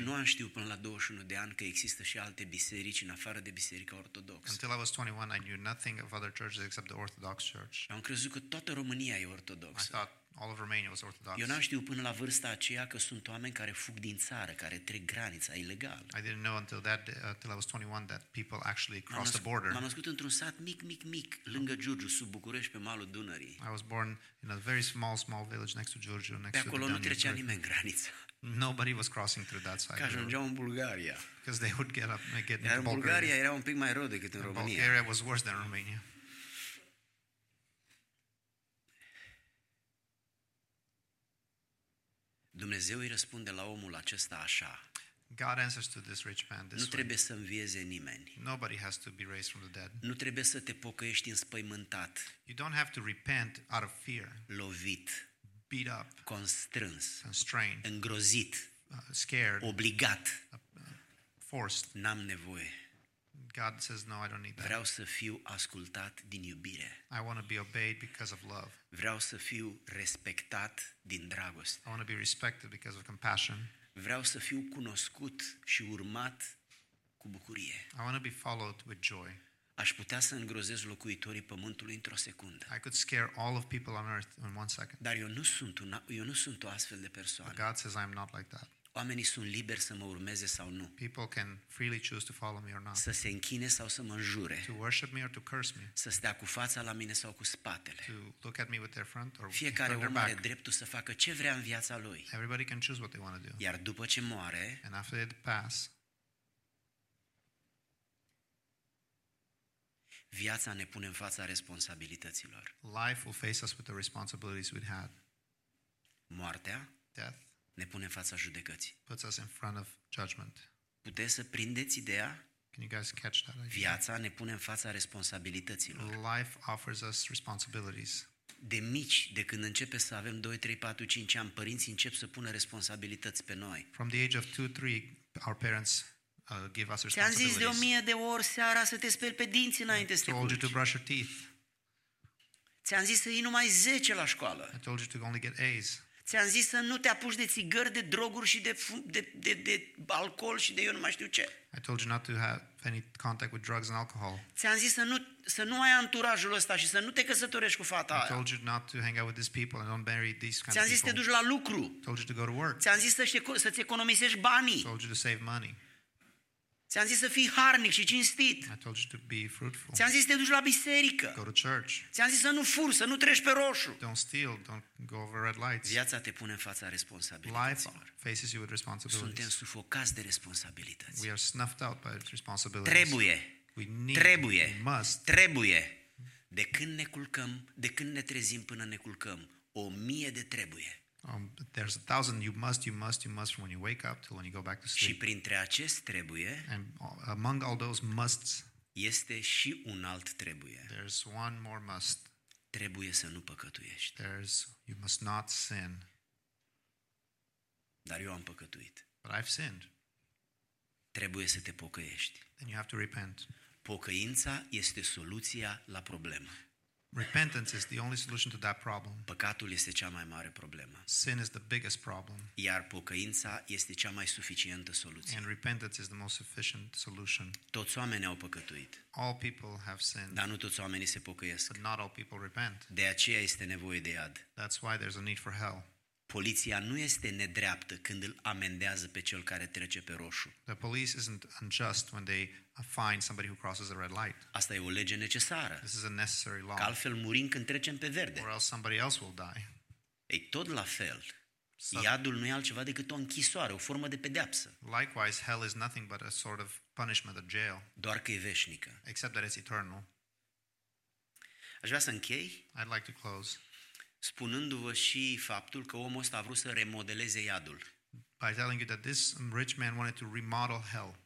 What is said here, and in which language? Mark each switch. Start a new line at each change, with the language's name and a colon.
Romanian: Eu nu am știut până la 21 de ani că există și alte biserici în afară de biserica ortodoxă.
English: Until I was 21, I knew nothing of other churches except the Orthodox Church.
Romanian: Am crezut că toată România e ortodoxă.
English: I thought all of Romania was Orthodox.
Romanian: Eu n-am știut până la vârsta aceea că sunt oameni care fug din țară, care trec granița ilegal.
English: I didn't know until I was 21 that people actually cross the border.
Romanian: M-am născut într-un sat mic, lângă Giurgiu, sub București, pe malul Dunării.
English: I was born in a very small village next to Giurgiu, next to the Dunăre.
Romanian: Pe acolo nu trecea nimeni graniță.
English: Nobody was crossing through that side.
Romanian: Ca ajungeau în Bulgaria.
English: Because they would get up and get into Bulgaria.
Romanian: Bulgaria era un pic mai rău decât în România.
English: Bulgaria was worse than Romania.
Romanian: Dumnezeu îi răspunde la omul acesta așa.
English: God answers to this rich man this way.
Romanian: Nu trebuie să învieze nimeni.
English: Nobody has to be raised from the dead.
Romanian: Nu trebuie să te pocăiești înspăimântat.
English: You don't have to repent out of fear.
Romanian: Lovit.
English: Beat up.
Romanian: Constrâns.
English: Constrained.
Romanian: Îngrozit.
English: Scared.
Romanian: Obligat.
English: Forced.
Romanian: N-am nevoie.
English: God says no, I don't need that.
Romanian: Vreau să fiu ascultat din iubire.
English: I want to be obeyed because of love.
Romanian: Vreau să fiu respectat din dragoste.
English: I want to be respected because of compassion.
Romanian: Vreau să fiu cunoscut și urmat cu bucurie.
English: I want to be followed with joy.
Romanian: Aș putea să îngrozez locuitorii pământului într-o secundă.
English: I could scare all of people on earth in one second.
Romanian: Dar eu nu sunt o astfel de persoană.
English: But God says I'm not like that.
Romanian: Oamenii sunt liberi să mă urmeze sau nu.
English: People can freely choose to follow me or not.
Romanian: Să se închine sau să mă înjure.
English: To worship me or to curse me.
Romanian: Să stea cu fața la mine sau cu spatele.
English: To look at me with their front or
Romanian: fiecare om are dreptul să facă ce vrea în viața lui.
English: Everybody can choose what they want to do.
Romanian: Iar după ce moare,
English: and after they pass,
Romanian: viața ne pune în fața responsabilităților.
English: Life will face us with the responsibilities we had.
Romanian: Moartea,
English: death,
Romanian: ne pune în fața judecății.
English: Puts us in front of judgment.
Romanian: Puteți să prindeți ideea?
English: Can you guys catch that idea?
Romanian: Viața ne pune în fața responsabilităților.
English: Life offers us responsibilities.
Romanian: De mici, de când începe să avem 2, 3, 4, 5 ani, părinții încep să pună responsabilități pe noi.
English: From the age of 2, 3, our parents give us responsibilities.
Romanian: Ți-am zis de 1000 de ori seara să te speli pe dinți înainte să te culci.
English: I told you to brush your teeth.
Romanian: Ți-am zis să iei numai 10 la școală.
English: I told you to only get A's.
Romanian: Ți-am zis să nu te apuci de țigări, de droguri și de alcool și de eu nu mai știu ce.
English: I told you not to have any contact with drugs and alcohol.
Romanian: Ți-am zis să nu ai anturajul ăsta și să nu te căsătorești cu fata aia.
English: I told you not to hang out with these people and don't marry these kind of people.
Romanian: Ți-am zis să te duci la lucru.
English: I told you to go to work.
Romanian: Ți-am zis să-ți economisești banii.
English: I told you to save money.
Romanian: Ți-am zis să fii harnic și cinstit.
English: I told you to be fruitful.
Romanian: Ți-am zis să te duci la biserică.
English: Go to church.
Romanian: Ți-am zis să nu furi, să nu treci pe roșu.
English: Don't steal, don't go over red lights.
Romanian: Viața te pune în fața responsabilităților.
English: Life faces you with responsibilities.
Romanian: Suntem sufocați de responsabilități.
English: We are snuffed out by responsibilities.
Romanian: Trebuie.
English: We need.
Romanian: Trebuie.
English: We must.
Romanian: Trebuie. De când ne culcăm, de când ne trezim până ne culcăm, 1000 de trebuie.
English: There's a thousand you must from when you wake up till when you go back to sleep.
Romanian: Și printre acest trebuie,
English: and among all those musts,
Romanian: este și un alt trebuie.
English: There's one more must.
Romanian: Trebuie să nu păcătuiești.
English: There's you must not sin.
Romanian: Dar eu am păcătuit.
English: But I've sinned.
Romanian: Trebuie să te pocăiești.
English: Then you have to repent.
Romanian: Pocăința este soluția la problemă.
English: Repentance is the only solution to that problem.
Romanian: Păcatul este cea mai mare problemă.
English: Sin is the biggest problem.
Romanian: Iar pocăința este cea mai suficientă soluție.
English: And repentance is the most sufficient solution.
Romanian: Toți oamenii au păcătuit.
English: All people have sinned.
Romanian: Dar nu toți oamenii se pocăiesc.
English: But not all people repent.
Romanian: De aceea este nevoie de iad.
English: That's why there's a need for hell.
Romanian: Poliția nu este nedreaptă când îl amendează pe cel care trece pe roșu.
English: The police isn't unjust when they find somebody who crosses a red light.
Romanian: Asta e o lege necesară.
English: This is a necessary law.
Romanian: Că altfel murim când trecem pe verde.
English: Or else somebody else will die.
Romanian: Ei, tot la fel. Iadul nu e altceva decât o închisoare, o formă de pedeapsă.
English: Likewise, hell is nothing but a sort of punishment, a jail.
Romanian: Doar că e veșnică.
English: Except that it's eternal.
Romanian: Aș vrea să închei.
English: I'd like to close.
Romanian: Spunându-vă și faptul că omul ăsta a vrut să remodeleze iadul.
English: By telling you that this rich man wanted to remodel hell.